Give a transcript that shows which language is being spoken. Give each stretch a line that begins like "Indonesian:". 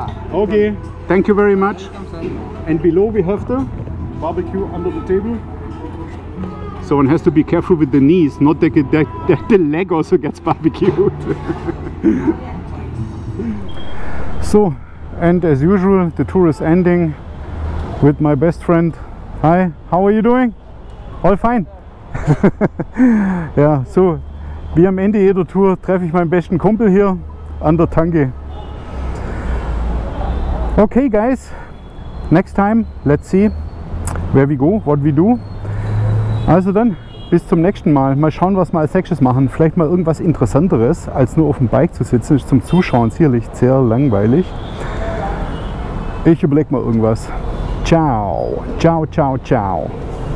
English: Okay, thank you very much. And below we have the barbecue under the table. So one has to be careful with the knees, not that the leg also gets barbecued. So, and as usual, the tour is ending with my best friend. Hi, how are you doing? All fine?
German: Yeah, so, wie am Ende jeder Tour treffe ich meinen besten Kumpel hier an der Tanke.
English: Okay, guys, next time, let's see where we go, what we do.
German: Also dann, bis zum nächsten Mal. Mal schauen, was wir als nächstes machen. Vielleicht mal irgendwas Interessanteres, als nur auf dem Bike zu sitzen. Ist zum Zuschauen sicherlich sehr langweilig. Ich überlege mal irgendwas. Ciao. Ciao, ciao, ciao.